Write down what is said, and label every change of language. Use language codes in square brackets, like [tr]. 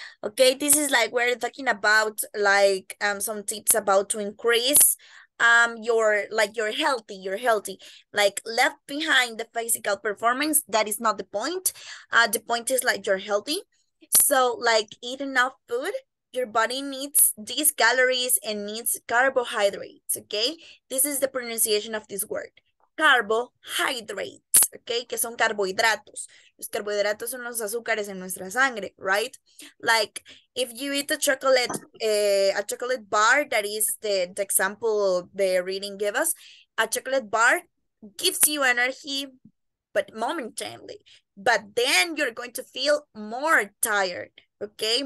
[en] Okay, this is like we're talking about like some tips about to increase your healthy, like left behind the physical performance. That is not the point. The point is like you're healthy. So like eat enough food. Your body needs these calories and needs carbohydrates. Okay, this is the pronunciation of this word. [es] Carbohydrates, okay, que son carbohidratos. Los carbohidratos son los azúcares en nuestra sangre, right? [en] Like, if you eat a chocolate bar, that is the example the reading gave us, a chocolate bar gives you energy, but momentarily, but then you're going to feel more tired, okay?